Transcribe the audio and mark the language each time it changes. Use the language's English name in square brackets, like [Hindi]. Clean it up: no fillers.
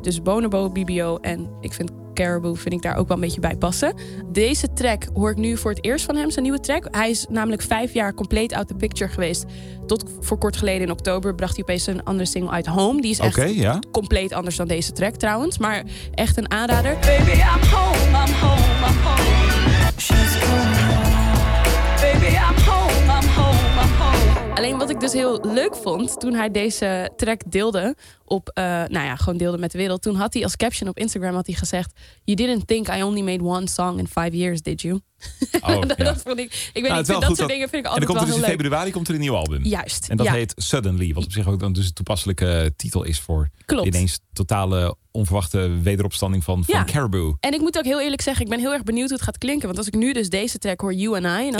[Dutch] Dus Bonobo, BBO en ik vind Caribou vind ik daar ook wel een beetje bij passen. Deze track hoor ik nu voor het eerst van hem, zijn nieuwe track. Hij is namelijk 5 jaar compleet out the picture geweest. Tot voor kort geleden in oktober bracht hij opeens een andere single uit Home. Die is echt compleet anders dan deze track trouwens. Maar echt een aanrader. [English] Baby, I'm home, I'm home, I'm home. She's home. Baby, I'm home, I'm home, I'm home. [Dutch] Alleen wat ik dus heel leuk vond toen hij deze track deelde... op, nou ja, gewoon deelde met de wereld. Toen had hij als caption op Instagram had hij gezegd... [English] You didn't think I only made one song in 5 years, did you? Oh, [Dutch] dat ja. vond ik... Ik weet nou, niet, vind dat soort dingen vind ik altijd en dan komt er dus heel leuk. In februari komt er een nieuw album. Juist. En dat heet Suddenly, wat op zich ook dan dus een toepasselijke titel is... voor ineens totale onverwachte wederopstanding van Caribou. En ik moet ook heel eerlijk zeggen, ik ben heel erg benieuwd hoe het gaat klinken. Want als ik nu dus deze track hoor, You and I... En als